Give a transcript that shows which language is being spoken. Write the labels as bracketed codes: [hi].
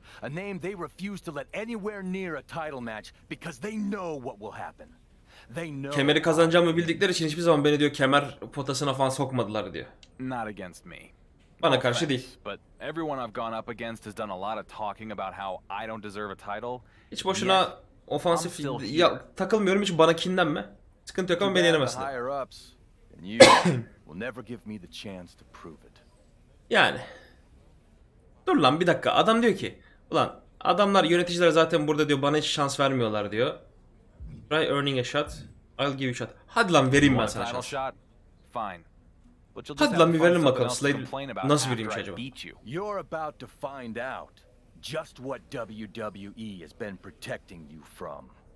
[en] A name they refuse to let anywhere near a title match because they know what will happen. They know. [tr] Kemeri kazanacağımı bildikleri için hiçbir zaman beni diyor kemer potasına falan sokmadılar diyor. [en] Not against me. [tr] Bana karşı değil. [en] But everyone I've gone up against has done a lot of talking about how I don't deserve a title. [tr] Hiç boşuna ofansif ya takılmıyorum hiç bana kinlenme. Sıkıntı yok ama beni yenemezler. [en] You will never give me the chance to prove it. [tr] Yani. Dur lan bir dakika. Adam diyor ki ulan adamlar yöneticiler zaten burada diyor bana hiç şans vermiyorlar diyor. [en] Try earning a shot. [tr] I'll give you a shot. Hadi lan vereyim ben sana şans. Hadi lan bir verelim bakalım Slade nasıl vereyim şey acaba. [en] You're about to find out just what WWE has been protecting you from.